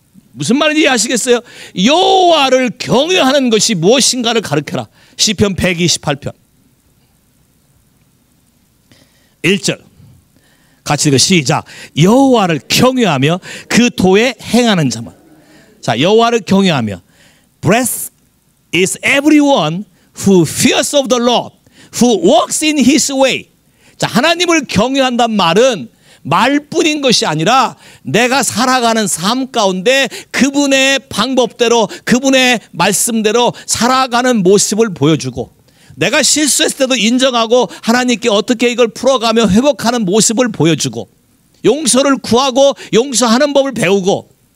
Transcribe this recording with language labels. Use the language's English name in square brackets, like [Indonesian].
[Korean] 무슨 말인지 이해하시겠어요? 여호와를 경외하는 것이 무엇인가를 가르쳐라. 시편 128편. 1절 같이 읽어 시작. 여호와를 경외하며 그 도에 행하는 자만. 자, 여호와를 경외하며. [English] Blessed is everyone who fears of the Lord, who walks in His way. [Korean] 자, 하나님을 경외한다는 말은 말뿐인 것이 아니라 내가 살아가는 삶 가운데 그분의 방법대로 그분의 말씀대로 살아가는 모습을 보여주고 내가 실수했을 때도 인정하고 하나님께 어떻게 이걸 풀어가며 회복하는 모습을 보여주고 용서를 구하고 용서하는 법을 배우고